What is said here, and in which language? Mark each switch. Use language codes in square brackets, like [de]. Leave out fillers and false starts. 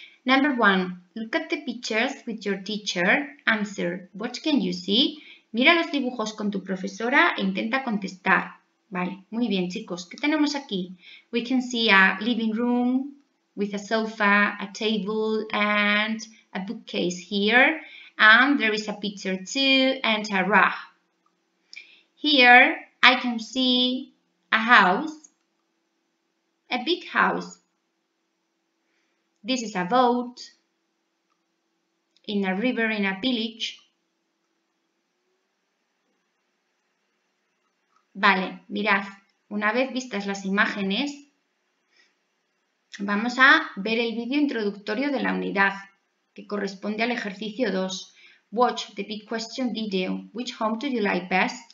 [en] Number 1, look at the pictures with your teacher. Answer, what can you see? [es] Mira los dibujos con tu profesora e intenta contestar. Vale, muy bien, chicos, ¿qué tenemos aquí? [en] We can see a living room with a sofa, a table, and a bookcase here. And there is a picture too, and a rug. Here, I can see a house, a big house. This is a boat, in a river, in a village. [es] Vale, mirad, una vez vistas las imágenes, vamos a ver el vídeo introductorio de la unidad, que corresponde al ejercicio 2. [en] Watch the big question video. Which home do you like best?